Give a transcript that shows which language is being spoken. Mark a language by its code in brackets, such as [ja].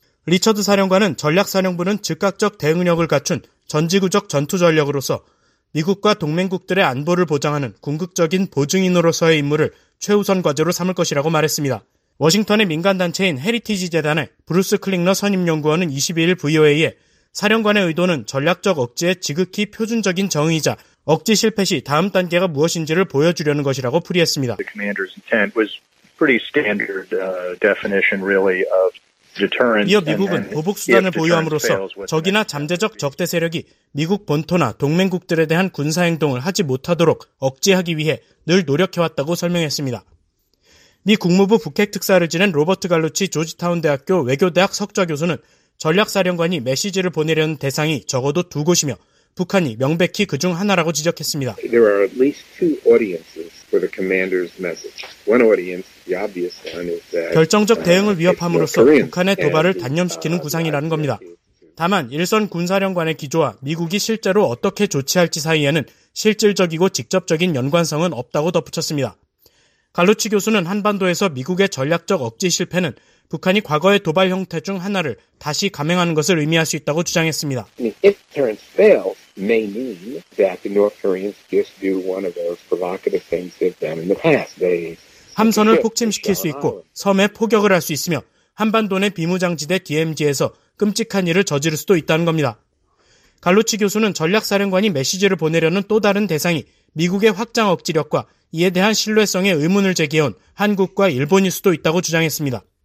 [ko] 리처드 사령관은 전략사령부는 즉각적 대응력을 갖춘 전지구적 전투전력으로서 미국과 동맹국들의 안보를 보장하는 궁극적인 보증인으로서의 임무를 최우선 과제로 삼을 것이라고 말했습니다. 워싱턴의 민간단체인 헤리티지 재단의 브루스 클링너 선임연구원은 22일 VOA에 사령관의 의도는 전략적 억지의 지극히 표준적인 정의이자 억지 실패 시 다음 단계가 무엇인지를 보여주려는 것이라고 풀이했습니다. [en] The commander's intent was pretty standard definition really of deterrence. [ko] 이어 미국은 보복수단을 보유함으로써 적이나 잠재적 적대 세력이 미국 본토나 동맹국들에 대한 군사행동을 하지 못하도록 억제하기 위해 늘 노력해왔다고 설명했습니다. 미 국무부 북핵특사를 지낸 로버트 갈루치 조지타운대학교 외교대학 석좌 교수는 전략사령관이 메시지를 보내려는 대상이 적어도 두 곳이며 북한이 명백히 그중 하나라고 지적했습니다. [en] There are at least two audiences for the commander's message. One audience, the obvious one is that [ko] 결정적 대응을 위협함으로써 북한의 도발을 단념시키는 구상이라는 겁니다. 다만 일선 군사령관의 기조와 미국이 실제로 어떻게 조치할지 사이에는 실질적이고 직접적인 연관성은 없다고 덧붙였습니다. 갈루치 교수는 한반도에서 미국의 전략적 억제 실패는 북한이 과거의 도발 형태 중 하나를 다시 감행하는 것을 의미할 수 있다고 주장했습니다. [en] If deterrence fails, may mean that the North Koreans just do one of those provocative things they've done in the past. [ko] 함선을 폭침시킬 수 있고 섬에 포격을 할 수 있으며 한반도 내 비무장지대 DMZ에서 끔찍한 일을 저지를 수도 있다는 겁니다. 갈루치 교수는 전략사령관이 메시지를 보내려는 또 다른 대상이 미국의 확장 억지력과 이에 대한 신뢰성에 의문을 제기해온 한국과 일본일 수도 있다고 주장했습니다.